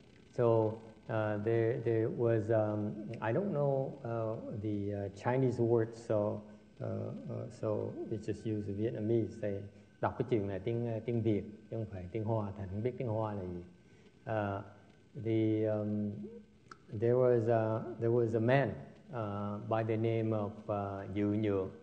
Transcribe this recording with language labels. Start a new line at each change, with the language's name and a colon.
English: So there was I don't know the Chinese word, so we just use Vietnamese. They
Vietnamese: đọc cái chuyện này tiếng Việt chứ không phải tiếng Hoa, thành không biết tiếng Hoa là gì.
English: There was a man by the name of Du Nhược.